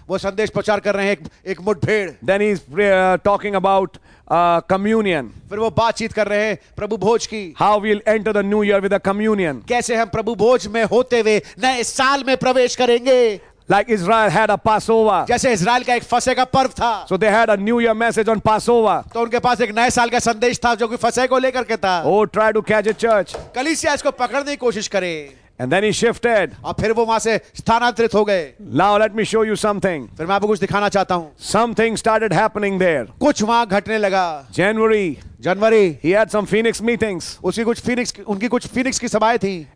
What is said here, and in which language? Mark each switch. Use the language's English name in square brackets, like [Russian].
[Hindi] वो संदेश प्रचार कर रहे हैं एक मुठभेड़ [English] then he's talking about communion [Hindi] फिर वो बातचीत कर रहे हैं प्रभु भोज की [English] how we'll enter the new year with a communion [Hindi] कैसे हम प्रभु भोज में होते हुए नए साल में प्रवेश करेंगे [English] Like Israel had a Passover. [Hindi] जैसे इज़राइल का एक फसे का पर्व था. [English] So they had a New Year message on Passover. [Hindi] तो उनके पास एक नए साल का संदेश था जो कि फसे को लेकर के था. [English] Oh, try to catch a church. [Hindi] कलीसिया इसको पकड़ने की कोशिश करे. [English] And then he shifted. [Hindi] और फिर वो वहाँ से स्थानांतरित हो गए. [English] Now let me show you something. [Hindi] फिर मैं आपको कुछ दिखाना चाहता हूँ. [English] Something started happening there. [Hindi] कुछ वहाँ घटने लगा. [English] January. He had some Phoenix meetings. [Hindi] उसकी कुछ Phoenix, उनकी कुछ Phoenix की सभाएं थी.